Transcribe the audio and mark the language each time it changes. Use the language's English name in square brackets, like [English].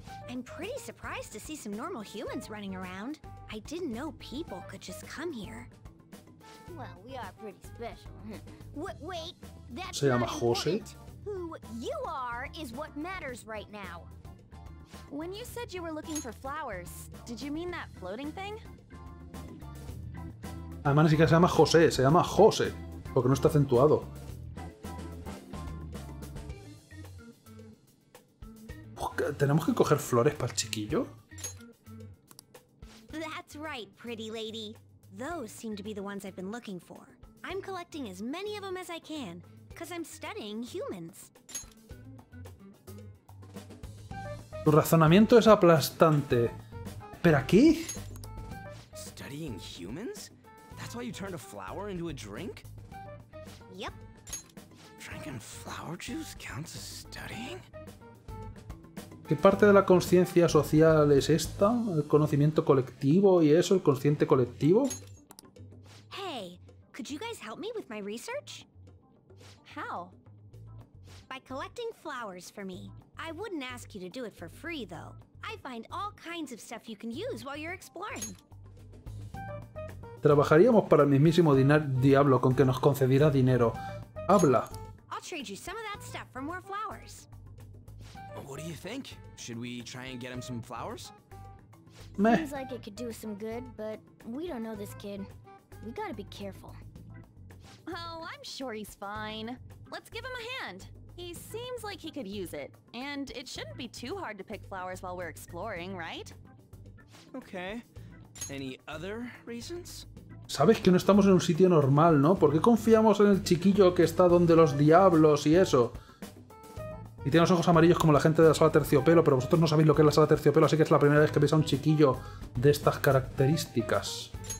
[English] I'm pretty surprised to see some normal humans running around. I didn't know people could just come here. Well, we are pretty special. Wait, that's not important. Who you are is what matters right now. When you said you were looking for flowers, did you mean that floating thing? [Spanish] Además, ni siquiera se llama José, se llama José, porque no está acentuado. ¿Tenemos que coger flores para el chiquillo? [English] That's right, pretty lady. Those seem to be the ones I've been looking for. I'm collecting as many of them as I can, because I'm studying humans. [Spanish] Tu razonamiento es aplastante. ¿Pero aquí? [English] Studying humans? That's why you turned a flower into a drink? Yep. Drinking flower juice counts as studying? [Spanish] ¿Qué parte de la conciencia social es esta? ¿El conocimiento colectivo y eso, el consciente colectivo? [English] Hey, could you guys help me with my research? How? By collecting flowers for me. I wouldn't ask you to do it for free though. I find all kinds of stuff you can use while you're exploring. [Spanish] Trabajaríamos para el mismísimo diablo con que nos concediera dinero. Habla. [English] I'll trade you some of that stuff for more flowers. What do you think? Should we try and get him some flowers? Meh. Seems like it could do some good, but we don't know this kid. We gotta be careful. Oh, I'm sure he's fine. Let's give him a hand. He seems like he could use it. And it shouldn't be too hard to pick flowers while we're exploring, right? Okay. Any other reasons? [Spanish] Sabes que no estamos en un sitio normal, ¿no? ¿Por qué confiamos en el chiquillo que está donde los diablos y eso? Y tiene los ojos amarillos como la gente de la sala terciopelo, pero vosotros no sabéis lo que es la sala terciopelo, así que es la primera vez que veis a un chiquillo de estas características.